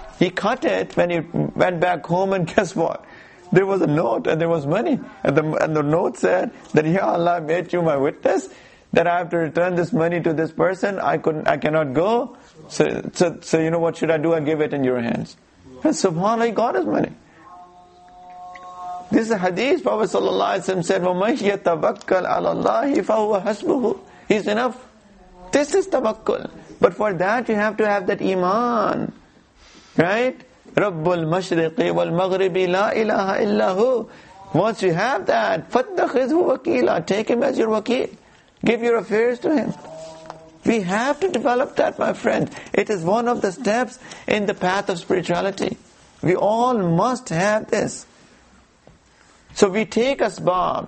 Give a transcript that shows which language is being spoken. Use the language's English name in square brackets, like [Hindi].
[English] He cut it when he went back home, and guess what? There was a note and there was money. And the note said that, Ya Allah, I made you my witness that I have to return this money to this person. I cannot go. So you know, what should I do? I give it in your hands. And subhanAllah, he got his money. This is a hadith. Prophet sallallahu alaihi wasallam said, [Arabic] وَمَنْ يَتَوَكَّلْ عَلَى اللَّهِ فَهُوَ حَسْبُهُ. [English] He's enough. This is tawakkul. But for that, you have to have that iman. Right? [Arabic] رَبُّ الْمَشْرِقِ وَالْمَغْرِبِ لَا إِلَهَ إِلَّا هُ. [English] Once you have that, [Arabic] فَاتَّخِذْهُ وَكِيلًا, [English] take him as your wakil. Give your affairs to him. We have to develop that, my friend. It is one of the steps in the path of spirituality. We all must have this. So we take asbab.